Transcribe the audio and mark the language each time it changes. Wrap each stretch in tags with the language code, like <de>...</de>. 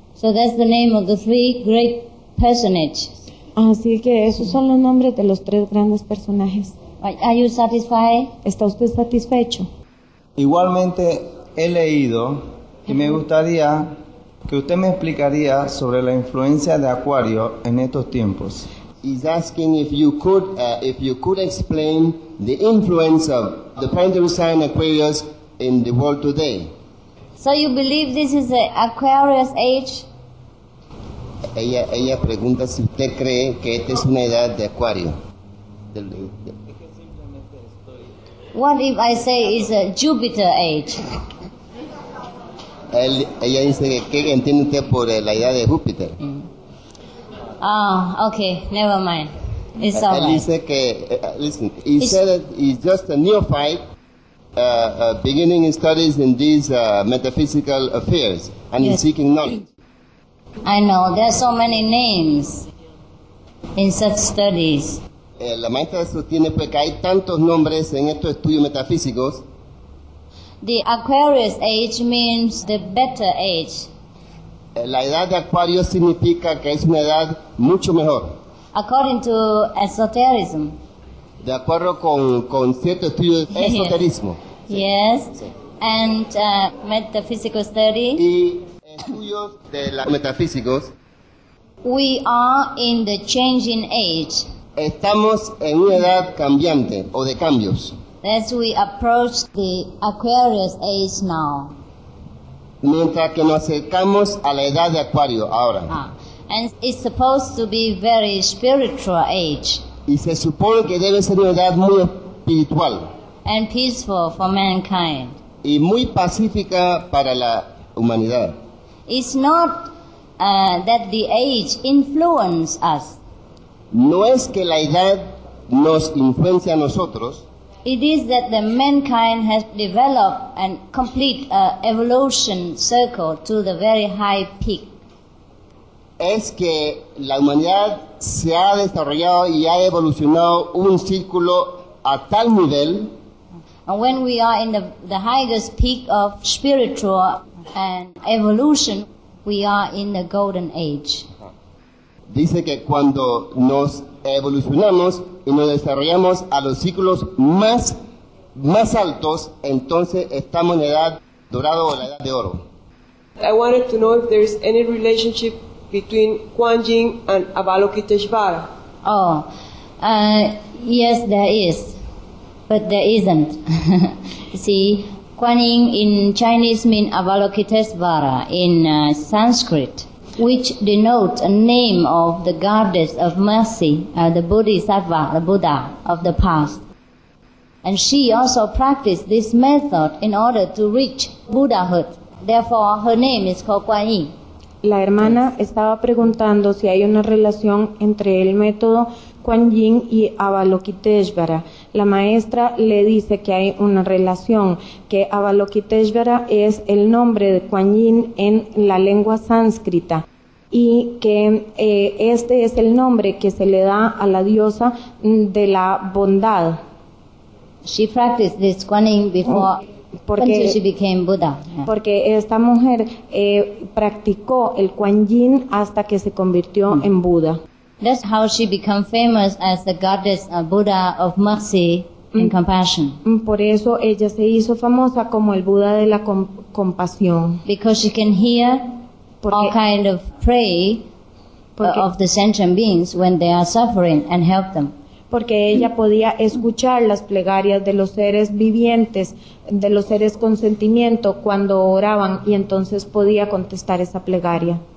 <en>So that's the name of the three great personages.</en> <es>Así que esos son los nombres de los tres grandes personajes.</es> <en>Are you satisfied?</en> <es>¿Está usted satisfecho? Igualmente he leído y me gustaría que usted me explicaría sobre la influencia de Acuario en estos tiempos.</es> <en>He's asking if you could explain the influence of the planetary sign Aquarius in the world today. So you believe this is the Aquarius age?</en> <es>Ella pregunta si usted cree que esta es una edad de Acuario.</es> <en>What if I say it's a Jupiter age?</en> <es>Ella dice que qué entiende usted por la edad de Júpiter.</es> <en>Ah, okay, never mind. It's all</en> <es>él</es> <en>right.</en> <es>Dice que,</es> <en>listen, he it's, said that he's just a neophyte beginning his studies in these metaphysical affairs and yes. He's seeking knowledge. I know, there are so many names in such studies.</en> <es>La maestra sostiene pues, que hay tantos nombres en estos estudios metafísicos.</es> <en>The Aquarius age means the better age.</en> <es>La edad de Acuario significa que es una edad mucho mejor.</es> <en>According to esotericism.</en> <es>De acuerdo con cierto estudio de esoterismo.</es> <en>Yes, sí. And metaphysical study.</en> <es>Y estudios de los metafísicos.</es> <en>We are in the changing age.</en> <es>Estamos en una edad cambiante o de cambios.</es> <en>As we approach the Aquarius age now.</en> <es>Mientras que nos acercamos a la edad de Acuario ahora.</es> <en>And it's supposed to be very spiritual age.</en> <es>Y se supone que debe ser una edad muy espiritual.</es> <en>And peaceful for mankind.</en> <es>Y muy pacífica para la humanidad.</es> <en>It's not that the age influences us.</en> <es>No es que la edad nos influencia a nosotros.</es> <en>It is that the mankind has developed and complete a evolution circle to the very high peak.</en> <es>Es que la humanidad se ha desarrollado y ha evolucionado un círculo a tal nivel.</es> <en>And when we are in the highest peak of spiritual and evolution, we are in the golden age.</en> <es>Dice que cuando nos evolucionamos y nos desarrollamos a los ciclos más altos, entonces estamos en la edad dorada o la edad de oro.</es> <en>I wanted to know if there's any relationship between Kuan Yin and Avalokiteshvara. Oh, yes, there is, but there isn't. See, Kuan Yin in Chinese means Avalokiteshvara in Sanskrit, which denotes a name of the goddess of mercy, the Bodhisattva, the Buddha of the past. And she also practiced this method in order to reach Buddhahood. Therefore, her name is called Kuan Yin.</en> <es>La hermana estaba preguntando si hay una relación entre el método Kuan Yin y Avalokiteshvara. La maestra le dice que hay una relación, que Avalokiteshvara es el nombre de Kuan Yin en la lengua sánscrita y que este es el nombre que se le da a la diosa de la bondad.</es> <en>She practiced this Kuan Yin before.</en> <es>Porque,</es> <en>until she became Buddha.</en> <es>Porque esta mujer practicó el Kuan Yin hasta que se convirtió en Buda.</es> <en>That's how she became famous as the goddess of Buddha of mercy and compassion.</en> <es>Por eso ella se hizo famosa como el Buda de la compasión.</es> <en>Because she can hear all kind of pray of the sentient beings when they are suffering and help them.</en> <es>Porque ella podía escuchar las plegarias de los seres vivientes, de los seres con sentimiento, cuando oraban, y entonces podía contestar esa plegaria.</es>